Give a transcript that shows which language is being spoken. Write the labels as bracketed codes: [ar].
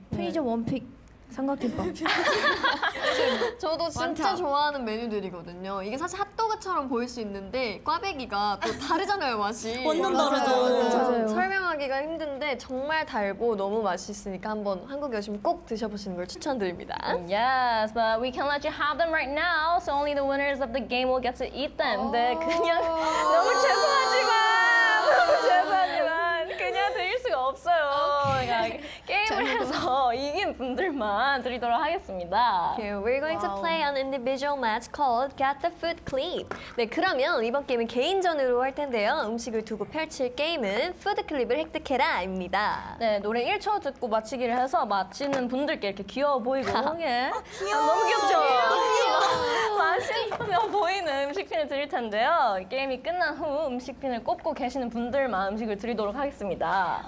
[ko] 편의점 네. 원픽 삼각김밥. 저도 진짜 많다. 좋아하는 메뉴들이거든요. 이게 사실 핫도그처럼 보일 수 있는데 꽈배기가 또 다르잖아요, 맛이. 완전 다르죠. 설명하기가 힘든데 정말 달고 너무 맛있으니까 한번 한국에 오시면 꼭 드셔보시는 걸 추천드립니다. [en] Yes, but we can't let you have them right now. So only the winners of the game will get to eat them. [ko] 네, 그냥 너무 죄송하지만 너무 죄송하지만 그냥 드릴 수가 없어요. [en] Okay. [ko] 게임을 해서 이긴 분들만 드리도록 하겠습니다. [en] Okay, we're going wow. to play an individual match called Get the Food Clip. [ko] 네, 그러면 이번 게임은 개인전으로 할 텐데요. 음식을 두고 펼칠 게임은 푸드 클립을 획득해라 입니다. 네, 노래 1초 듣고 맞히기를 해서 맞히는 분들께 이렇게 귀여워 보이고 아, 귀여워. 아, 너무 귀엽죠? 맛있어 보이는 음식핀을 드릴 텐데요. 게임이 끝난 후 음식핀을 꼽고 계시는 분들만 음식을 드리도록 하겠습니다.